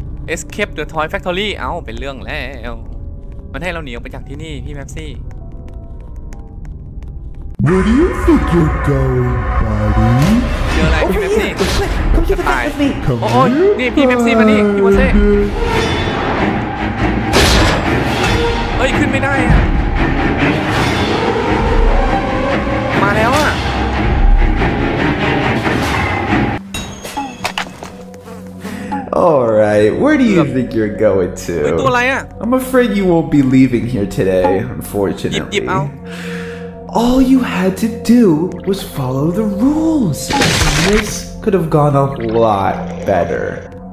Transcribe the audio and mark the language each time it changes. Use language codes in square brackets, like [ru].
[th] Escape the Toy Factory เอ้าเป็นเรื่องแล้วมันให้เราหนีออกไปจากที่นี่พี่แม็กซี่ [en] Where do you think you're going, buddy? [th] เจออะไรพี่แม็กซี่ [en] Come here, come here, come here. [th] โอ้ยนี่พี่แม็กซี่มานี่พี่วอเซ่เฮ้ยขึ้นไม่ได้มาแล้วอ่ะ [en] Alright, where do you think you're going to? I'm afraid you won't be leaving here today, unfortunately. All you had to do was follow the rules. This could have gone a lot better.